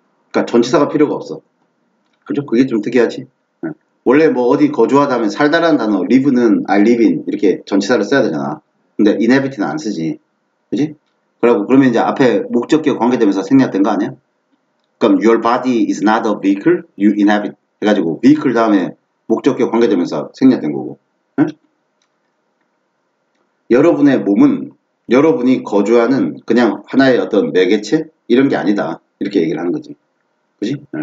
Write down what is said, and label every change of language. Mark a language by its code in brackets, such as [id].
[ko] 그니까 전치사가 필요가 없어. 그죠? 그게 좀 특이하지. 원래 뭐 어디 거주하다면 살다라는 단어, live는 [en] I live in [ko] 이렇게 전치사를 써야 되잖아. 근데 inhabit는 안 쓰지. 그지? 그러면 이제 앞에 목적격 관계되면서 생략된 거 아니야? 그럼 [en] your body is not a vehicle you inhabit [ko] 해가지고 vehicle 다음에 목적격 관계되면서 생략된 거고. 여러분의 몸은 여러분이 거주하는 그냥 하나의 어떤 매개체? 이런 게 아니다. 이렇게 얘기를 하는 거지. 그지?